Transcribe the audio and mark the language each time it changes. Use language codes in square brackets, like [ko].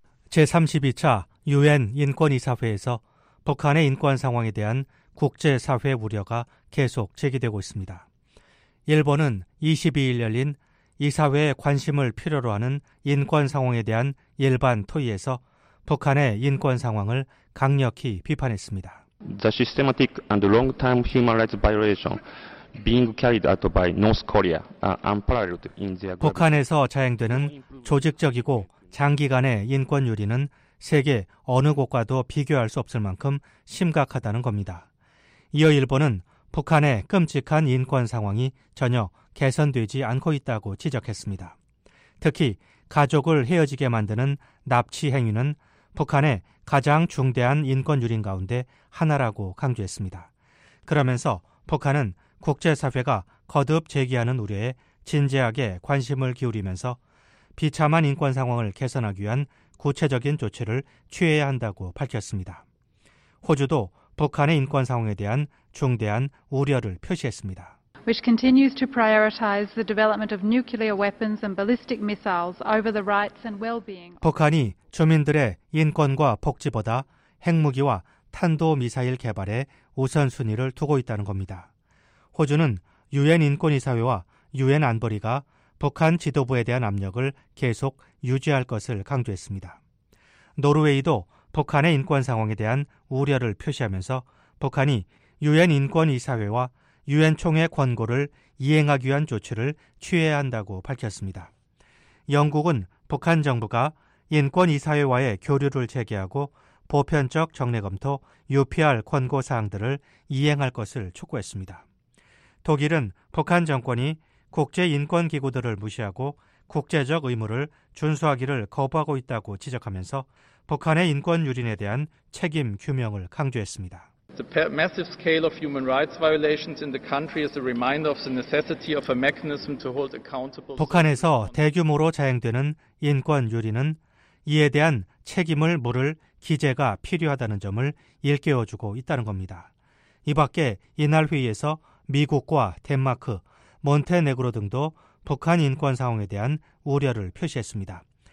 [ko] 제32차 유엔 인권이사회에서 북한의 인권 상황에 대한 국제사회 우려가 계속 제기되고 있습니다. 일본은 22일 열린 이사회의 관심을 필요로 하는 인권 상황에 대한 일반 토의에서 북한의 인권 상황을 강력히 비판했습니다. [en] The systematic and long-time human rights violation being carried out by North Korea are unparalleled in their [ko] 북한에서 자행되는 조직적이고 장기간의 인권 유린은 세계 어느 곳과도 비교할 수 없을 만큼 심각하다는 겁니다. 이어 일본은 북한의 끔찍한 인권 상황이 전혀 개선되지 않고 있다고 지적했습니다. 특히 가족을 헤어지게 만드는 납치 행위는 북한의 가장 중대한 인권 유린 가운데 하나라고 강조했습니다. 그러면서 북한은 국제사회가 거듭 제기하는 우려에 진지하게 관심을 기울이면서 비참한 인권 상황을 개선하기 위한 구체적인 조치를 취해야 한다고 밝혔습니다. 호주도 북한의 인권 상황에 대한 중대한 우려를 표시했습니다. [en] Which continues to prioritize the development of nuclear weapons and ballistic missiles over the rights and well-being. [ko] 북한이 주민들의 인권과 복지보다 핵무기와 탄도 미사일 개발에 우선순위를 두고 있다는 겁니다. 호주는 유엔 인권이사회와 유엔 안보리가 북한 지도부에 대한 압력을 계속 유지할 것을 강조했습니다. 노르웨이도 북한의 인권 상황에 대한 우려를 표시하면서 북한이 유엔 인권이사회와 유엔 총회 권고를 이행하기 위한 조치를 취해야 한다고 밝혔습니다. 영국은 북한 정부가 인권이사회와의 교류를 재개하고 보편적 정례검토 UPR 권고 사항들을 이행할 것을 촉구했습니다. 독일은 북한 정권이 국제인권기구들을 무시하고 국제적 의무를 준수하기를 거부하고 있다고 지적하면서 북한의 인권 유린에 대한 책임 규명을 강조했습니다. [en] The massive scale of human rights violations in the country is a reminder of the necessity of a mechanism to hold accountable. [ko] 북한에서 대규모로 자행되는 인권 유린은 이에 대한 책임을 물을 기재가 필요하다는 점을 일깨워주고 있다는 겁니다. 이 밖에 이날 회의에서 미국과 덴마크, 몬테네그로 등도 북한 인권 상황에 대한 우려를 표시했습니다.